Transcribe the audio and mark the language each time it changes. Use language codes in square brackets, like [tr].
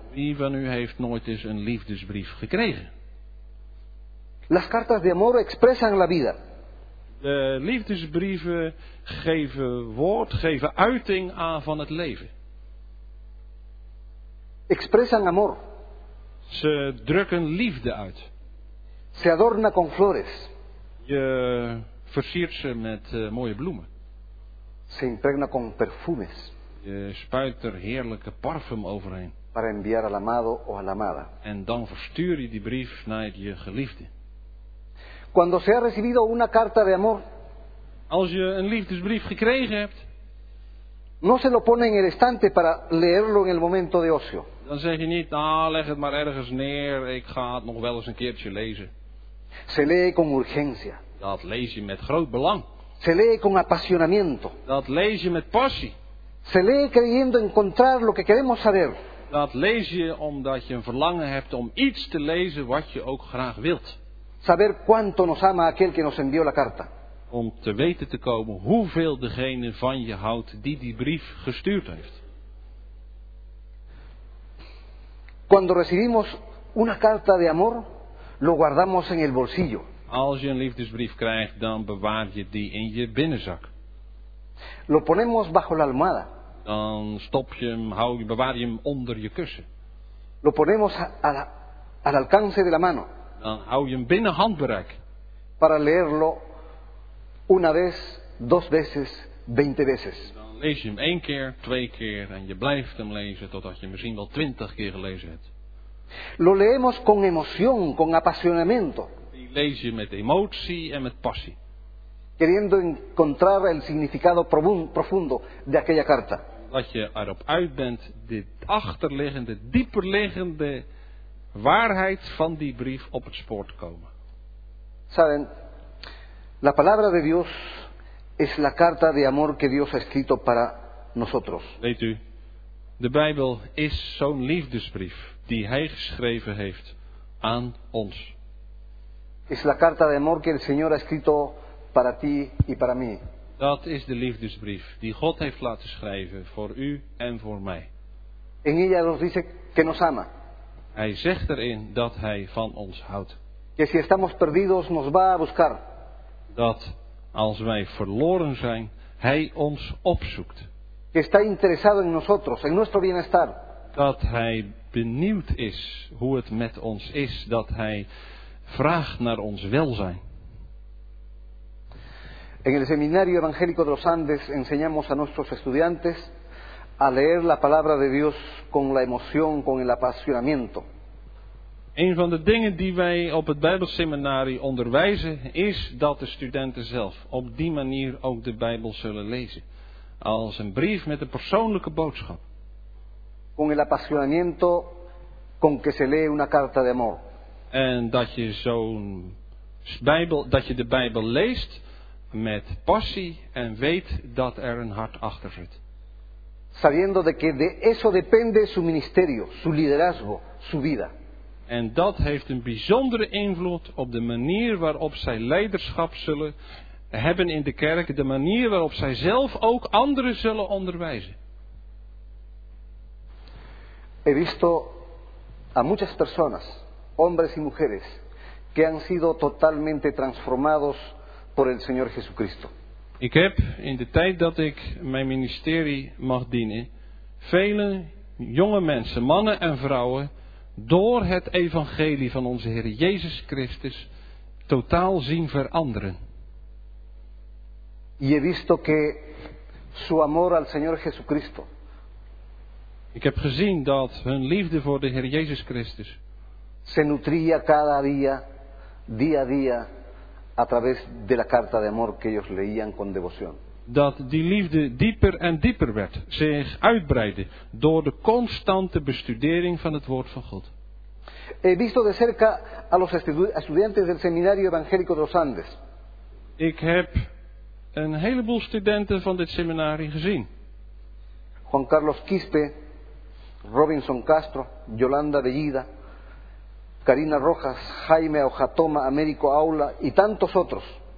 [nl] Wie van u heeft nooit eens een liefdesbrief gekregen? [es] Las cartas de amor expresan la vida. [nl] De liefdesbrieven geven woord, geven uiting aan van het leven. [es] Expresan amor. [nl] Ze drukken liefde uit. [es] Se adorna con flores. [nl] Je versiert ze met mooie bloemen. [es] Se impregna con perfumes. [nl] Je spuit er heerlijke parfum overheen. [es] Para enviar al amado o a la amada. [nl] En dan verstuur je die brief naar je geliefde. [es] Cuando se ha recibido una carta de amor, [nl] als je een liefdesbrief gekregen hebt, [es] no se lo pone en el estante para leerlo en el momento de ocio. [nl] Dan zeg je niet, nou, leg het maar ergens neer, ik ga het nog wel eens een keertje lezen. [es] Se lee con urgencia. [nl] Dat lees je met groot belang. [es] Se lee con apasionamiento. [nl] Dat lees je met passie. [es] Se lee creyendo encontrar lo que queremos saber. [nl] Dat lees je omdat je een verlangen hebt om iets te lezen wat je ook graag wilt. [es] Saber cuánto nos ama aquel que nos envió la carta. [nl] Om te weten te komen hoeveel degene van je houdt die die brief gestuurd heeft. [es] Cuando recibimos una carta de amor, lo guardamos en el bolsillo. [nl] Als je een liefdesbrief krijgt, dan bewaar je die in je binnenzak. [es] Lo ponemos bajo la almohada. [nl] Dan stop je hem, bewaar je hem onder je kussen. [es] Lo ponemos al alcance de la mano. [nl] Dan hou je hem binnen handbereik. [es] Para leerlo una vez, dos veces, 20 veces. [nl] Dan lees je hem 1 keer, 2 keer en je blijft hem lezen totdat je misschien wel 20 keer gelezen hebt. [es] Lo leemos con emoción, con apasionamiento. [nl] Die lees je met emotie en met passie. [es] Queriendo encontrar el significado profundo de aquella carta. [nl] Dat je erop uit bent, dit achterliggende, dieperliggende waarheid van die brief op het spoor te komen. [es] Saben, la palabra de Dios es la carta de amor que Dios ha escrito para nosotros. [nl] Weet u, de Bijbel is zo'n liefdesbrief die Hij geschreven heeft aan ons. [es] Es la carta de amor que el Señor ha escrito para ti y para mí. [nl] Dat is de liefdesbrief die God heeft laten schrijven voor u en voor mij. [es] En ella nos dice que nos ama. [nl] Hij zegt erin dat Hij van ons houdt. [es] Que si estamos perdidos, nos va a buscar. [nl] Dat als wij verloren zijn, Hij ons opzoekt. [es] Que está interesado en nosotros, en nuestro bienestar. [nl] Dat Hij benieuwd is hoe het met ons is. Dat Hij vraagt naar ons welzijn. [es] En el Seminario Evangélico de los Andes enseñamos a nuestros estudiantes a leer la palabra de Dios con la emoción, con el apasionamiento. [nl] Een van de dingen die wij op het Bijbelseminarie onderwijzen is dat de studenten zelf op die manier ook de Bijbel zullen lezen. Als een brief met een persoonlijke boodschap. [es] Con el apasionamiento con que se lee una carta de amor. [nl] En dat je zo'n Bijbel, dat je de Bijbel leest met passie en weet dat er een hart achter zit. [es] Sabiendo de que de eso depende su ministerio, su liderazgo, su vida. [nl] En dat heeft een bijzondere invloed op de manier waarop zij leiderschap zullen hebben in de kerk, de manier waarop zij zelf ook anderen zullen onderwijzen. [es] He visto a muchas personas, hombres y mujeres, que han sido totalmente transformados por el Señor Jesucristo. [nl] Ik heb in de tijd dat ik mijn ministerie mag dienen, vele jonge mensen, mannen en vrouwen, door het evangelie van onze Heer Jezus Christus totaal zien veranderen. [es] Y he visto que su amor al Señor Jesucristo. [nl] Ik heb gezien dat hun liefde voor de Heer Jezus Christus [es] se nutría cada día, día a día, a través de la carta de amor que ellos leían con devoción. [nl] Dat die liefde dieper en dieper werd, zich uitbreidde door de constante bestudering van het woord van God. [es] He visto de cerca a los estudiantes del Seminario Evangélico de los Andes. [nl] Ik heb een heleboel studenten van dit seminarie gezien. [es] Juan Carlos Quispe, Robinson Castro, Yolanda Bellida, Karina Rojas, Jaime Ojatoma, Américo Aula y tantos otros.